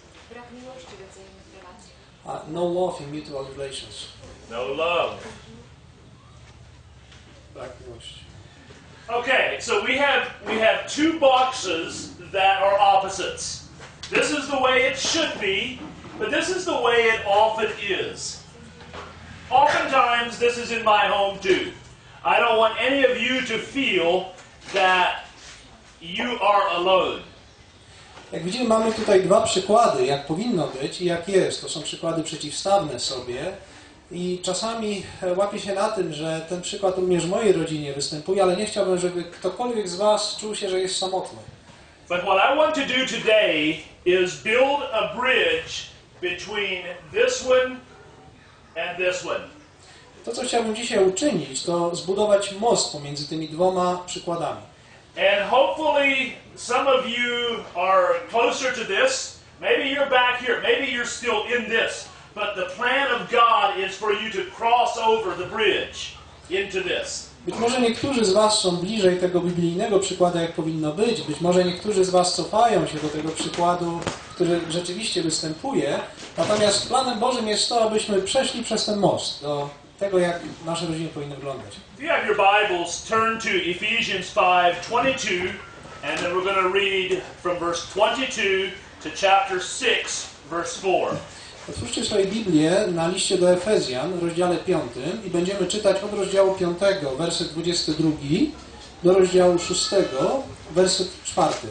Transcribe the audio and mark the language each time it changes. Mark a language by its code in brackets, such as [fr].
[pl] Brak miłości w wzajemnych relacjach. [en] No love in mutual relations. No love. [pl] Brak miłości. [en] Okay, so we have two boxes that are opposites. This is the way it should be, but this is the way it often is. Oftentimes, this is in my home too. I don't want any of you to feel that you are alone. [pl] Jak widzimy, mamy tutaj dwa przykłady, jak powinno być i jak jest. To są przykłady przeciwstawne sobie. I czasami łapię się na tym, że ten przykład również w mojej rodzinie występuje, ale nie chciałbym, żeby ktokolwiek z was czuł się, że jest samotny. [en] But what I want to do today is build a bridge between this one and this one. [pl] To, co chciałbym dzisiaj uczynić, to zbudować most pomiędzy tymi dwoma przykładami. [en] And hopefully some of you are closer to this. Maybe you're back here. Maybe you're still in this. But the plan of God is for you to cross over the bridge into this. [pl] Być może niektórzy z was są bliżej tego biblijnego przykładu, jak powinno być. Być może niektórzy z was cofają się do tego przykładu, który rzeczywiście występuje. Natomiast planem Bożym jest to, abyśmy przeszli przez ten most do tego, jak nasze rodziny powinny wyglądać. [en] If you have your Bibles, turn to Ephesians 5:22, and then we're going to read from verse 22 to chapter 6, verse 4. [pl] Otwórzcie swoje Biblię na liście do Efezjan, w rozdziale 5 i będziemy czytać od rozdziału 5, werset 22 do rozdziału 6, werset 4.